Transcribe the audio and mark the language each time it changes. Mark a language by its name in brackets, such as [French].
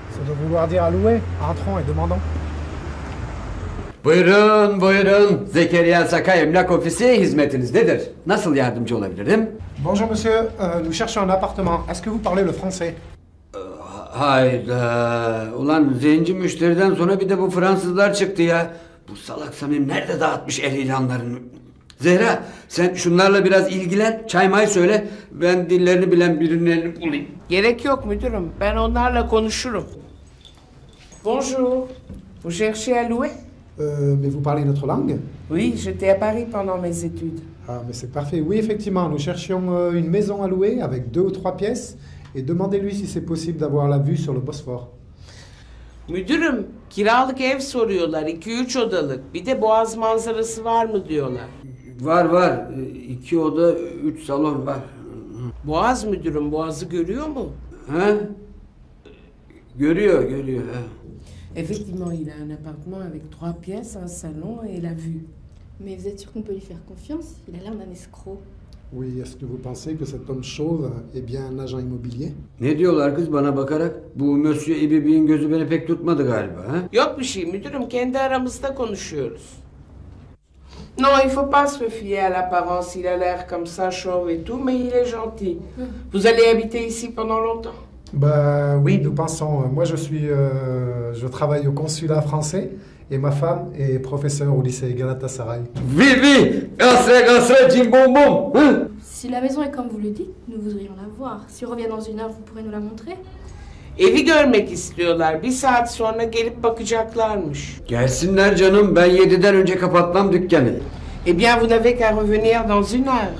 [French] Ça doit vouloir dire à louer, à rendre et demandant. [Turkish] Buyurun. Zekeriya Sakay Emlak Ofisi hizmetinizdedir. Nasıl yardımcı olabilirim? [French] Bonjour monsieur, nous cherchons un appartement. Est-ce que vous parlez le français? [Turkish] Hayda. Ulan zenci müşteriden sonra bir de bu Fransızlar çıktı ya. Bu salak Samim nerede dağıtmış el ilanlarını? Zehra, sen şunlarla biraz ilgilen, çay may söyle. Ben dillerini bilen birilerini bulayım. Gerek yok müdürüm, ben onlarla konuşurum. [French] Bonjour, vous cherchez à louer? Mais vous parlez notre langue? Oui, j'étais à Paris pendant mes études. Ah, mais c'est parfait. Oui, effectivement, nous cherchions une maison à louer avec 2 ou 3 pièces. Et demandez-lui si c'est possible d'avoir la vue sur le Bosphore. [Turkish] Müdürüm, kiralık ev soruyorlar, 2-3 odalık. Bir de boğaz manzarası var mı diyorlar. Var. 2 oda, 3 salon var. Boğaz müdürüm, boğazı görüyor mu? He? Görüyor. [French] Effectivement, il a un appartement avec trois pièces, un salon et la vue. Mais vous êtes sûr qu'on peut lui faire confiance? Il a l'air d'un escroc. Oui, est-ce que vous pensez que cet homme chauve est bien un agent immobilier? [Turkish] Ne diyorlar kız bana bakarak? Bu Monsieur Ibibi'nin gözü beni pek tutmadı galiba. He? Yok bir şey müdürüm, kendi aramızda konuşuyoruz. [French] Non, il faut pas se fier à l'apparence. Il a l'air comme ça, chauve et tout, mais il est gentil. Vous allez habiter ici pendant longtemps? Bah, oui, nous pensons. Moi, je travaille au consulat français et ma femme est professeure au lycée Galatasaray. Oui, oui, grâce, grâce, jim bon bon. Si la maison est comme vous le dites, nous voudrions la voir. Si on revient dans une heure, vous pourrez nous la montrer. [Turkish] Evi görmek istiyorlar. Bir saat sonra gelip bakacaklarmış. Gelsinler canım. Ben 7'den önce kapatmam dükkanı. [French] Eh bien, vous n'avez qu'à revenir dans une heure.